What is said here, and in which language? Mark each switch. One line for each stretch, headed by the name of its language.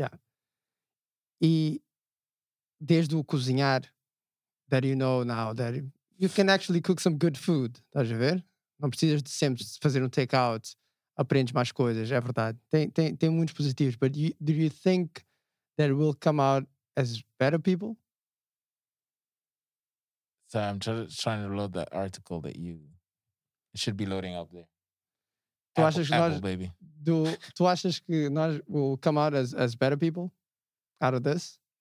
English: And,
Portuguese: e desde o cozinhar,
English: that you know now, that you can actually cook some good food,
Portuguese: estás a ver? Não precisas de sempre fazer take-out, aprendes mais coisas, é verdade. Tem muitos positivos,
English: but do you think that we'll come out as better people? So I'm trying to load that article that you... It should be loading up there.
Portuguese: Tu achas que nós, baby. Tu achas que nós
English: will come out as better people out of this?